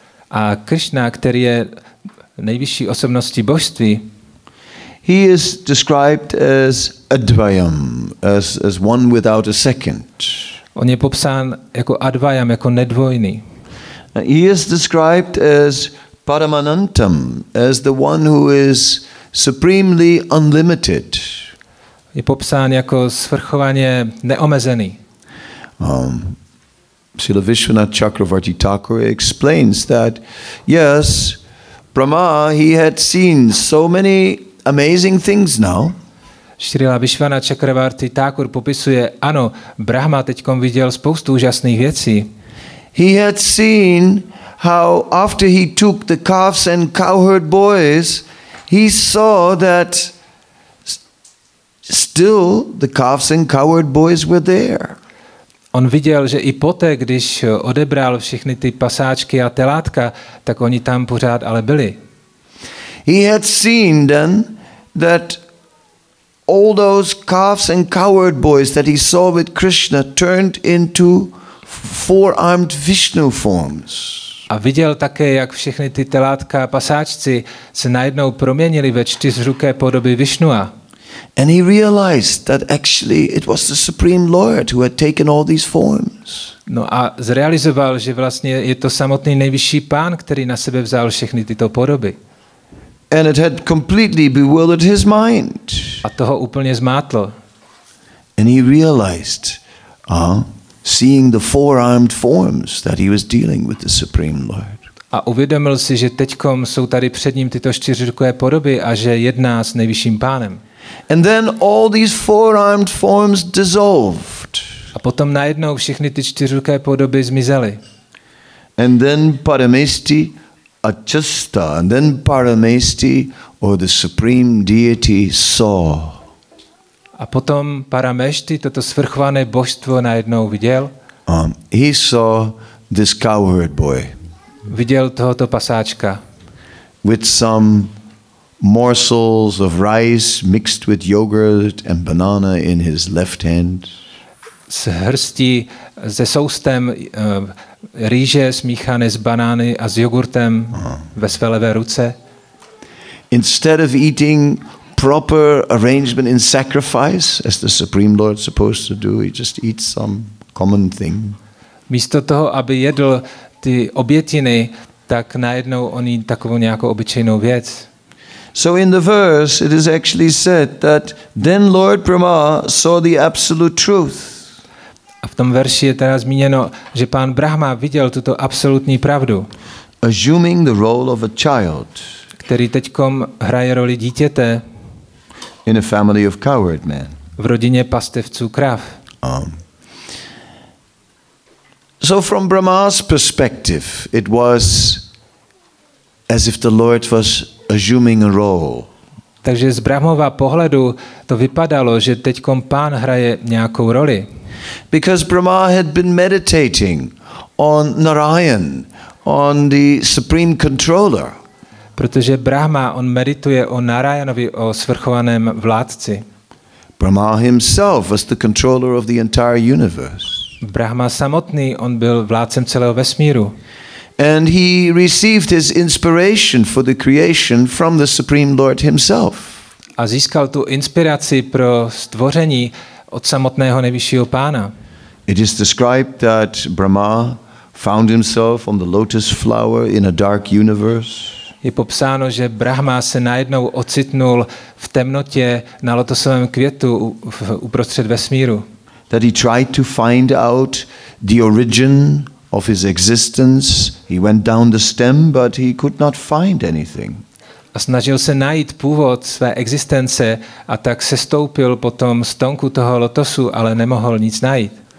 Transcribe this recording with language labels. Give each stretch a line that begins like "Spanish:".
Czech: A Krishna, který je nejvyšší osobností božství,
English: he is described as advayam, as one without a second.
Czech: On je popsán jako advayam, jako nedvojný.
English: He is described as paramanantam, as the one who is supremely unlimited.
Czech: Je popsán jako svrchovaně neomezený.
English: Srila Vishwanath Chakravarti Thakur explains that, yes, Brahma, he had seen so many amazing things now.
Czech: Srila Vishwanath Chakravarti Thakur popisuje, ano, Brahma teďkom viděl spoustu úžasných věcí.
English: He had seen how after he took the calves and cowherd boys, he saw that still the calves and cowherd boys were there.
Czech: On viděl, že i poté, když odebral všechny ty pasáčky a telátka, tak oni tam pořád ale byli.
English: He had seen then that all those calves and cowherd boys that he saw with Krishna turned into four-armed Vishnu forms.
Czech: A viděl také, jak všechny ty telátka a pasáčci se najednou proměnili ve čtyřruké podoby Vishnua.
English: And he realized that actually it was the Supreme Lord who had taken all these forms.
Czech: No a zrealizoval, že vlastně je to samotný nejvyšší pán, který na sebe vzal všechny tyto podoby.
English: And it had completely bewildered his mind.
Czech: A toho úplně zmátlo.
English: And he realized, seeing the four-armed forms that he was dealing with the Supreme Lord.
Czech: A uvědomil si, že teďkom jsou tady před ním tyto čtyřruké podoby a že jedná s nejvyšším pánem.
English: And then all these four-armed forms dissolved.
Czech: A potom najednou všechny ty čtyřruké podoby zmizely.
English: And then Paramesti Achyuta, and then Paramesti, or the supreme deity, saw.
Czech: A potom Paramesti toto svrchované božstvo najednou viděl.
English: He saw this cowherd boy.
Czech: Viděl tohoto pasáčka.
English: With some morsels of rice mixed with yogurt and banana in his left hand.
Czech: S hrstí ze soustem rýže smíchané s banány a s jogurtem ve své levé ruce.
English: Instead of eating proper arrangement in sacrifice, as the Supreme Lord supposed to do, he just eats some common thing.
Czech: Místo toho, aby jedl ty obětiny, tak najednou on jí takovou nějakou obyčejnou věc.
English: So in the verse it is actually said that then Lord Brahma saw the absolute truth.
Czech: A v tom verši je teda zmíněno, že pán Brahma viděl tuto absolutní pravdu.
English: Assuming the role of a child.
Czech: Který teďkom hraje roli dítěte.
English: In a family of coward men.
Czech: V rodině pastevců krav.
English: So from Brahma's perspective it was as if the Lord was assuming a role.
Czech: Takže z Brahmova pohledu to vypadalo, že teďkom pán hraje nějakou roli.
English: Because Brahma had been meditating on Narayan, on the supreme controller.
Czech: Protože Brahma on medituje o Narayanovi, o svrchovaném vládci.
English: Brahma himself was the controller of the entire universe.
Czech: Brahma samotný on byl vládcem celého vesmíru.
English: And he received his inspiration for the creation from the Supreme Lord himself.
Czech: A získal tu inspiraci pro stvoření od samotného nejvyššího pána.
English: It is described that Brahma found himself on the lotus flower in a dark universe.
Czech: Je popsáno, že Brahma se najednou ocitnul v temnotě na lotosovém květu uprostřed vesmíru.
English: That he tried to find out the origin of his existence, he went down the stem, but he could not find anything.
Czech: A snažil se najít původ své existence a tak sestoupil potom stonku toho lotosu, ale nemohl nic najít.